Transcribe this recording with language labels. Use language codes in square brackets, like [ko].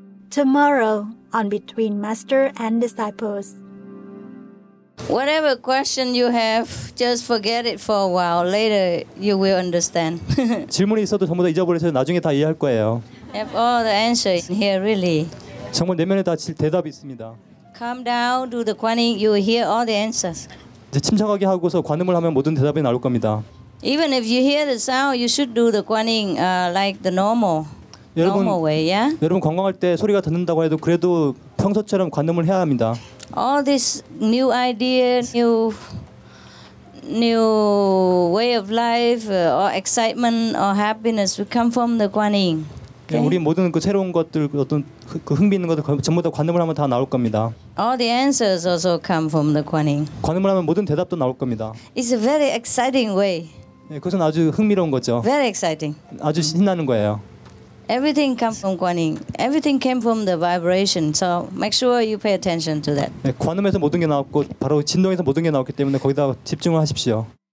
[en] Tomorrow on Between Master and Disciples. Whatever question you have, just forget it for a while. Later, you will understand. [ko] 질문이 있어도 전부 다 잊어버리세요. 나중에 다 이해할 거예요. [en] Have all the answers here, really. [ko] 정말 내면에 다 대답이 있습니다. [en] Calm down, do the Kuan Yin. You will hear all the answers. [ko] 이제 침착하게 하고서 관음을 하면 모든 대답이 나올 겁니다. [en] Even if you hear the sound, you should do the Kuan Yin like the normal way, yeah? [ko] 여러분 관광할 때 소리가 듣는다고 해도 그래도 평소처럼 관음을 해야 합니다. [en] All this new idea, new way of life, or excitement, or happiness, we come from the Kuan Yin. Okay. [ko] 우리 모든 그 새로운 것들 어떤 그 흥미 있는 것들 전부 다 관음을 하면 다 나올 겁니다. [en] All the answers also come from the Kuan Yin. [ko] 관음을 하면 모든 대답도 나올 겁니다. [en] It's a very exciting way. [ko] 네, 그것은 아주 흥미로운 거죠. [en] Very exciting. [ko] 아주 신나는 거예요. [en] Everything comes from Kuan Yin. Everything came from the vibration. So make sure you pay attention to that. [ko] 네, 관음에서 모든 게 나왔고 바로 진동에서 모든 게 나왔기 때문에 거기다 집중을 하십시오.